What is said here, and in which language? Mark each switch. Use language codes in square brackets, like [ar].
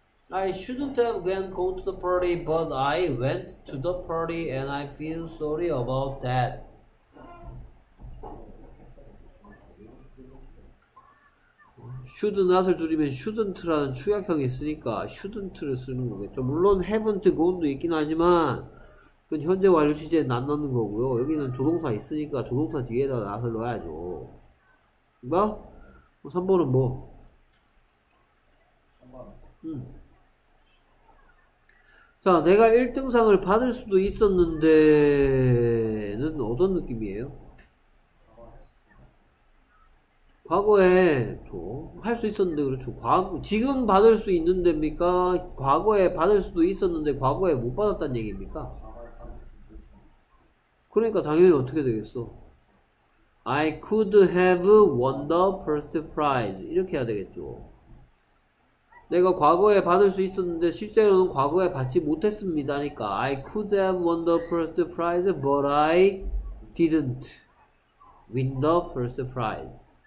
[en] I shouldn't have gone go to the party, but I went to the party and I feel sorry about that. [ko] 슈드 낫을 줄이면 슈든트라는 추약형이 있으니까 슈든트를 쓰는 거겠죠. 물론 [en] haven't gone [ko] 도 있긴 하지만 그건 현재 완료 시제에 낫는 거고요. 여기는 조동사 있으니까 조동사 뒤에다 낫을 넣어야죠. 그니까 3번은 뭐? 3번. 자, 내가 1등상을 받을 수도 있었는데는 어떤 느낌이에요? 과거에 또 할 수 있었는데. 그렇죠. 지금 받을 수 있는 데입니까? 과거에 받을 수도 있었는데 과거에 못 받았다는 얘기입니까? 그러니까 당연히 어떻게 되겠어? [en] I could have won the first prize [ko] 이렇게 해야 되겠죠. 내가 과거에 받을 수 있었는데 실제로는 과거에 받지 못했습니다니까. [en] I could have won the first prize, but I didn't win the first prize.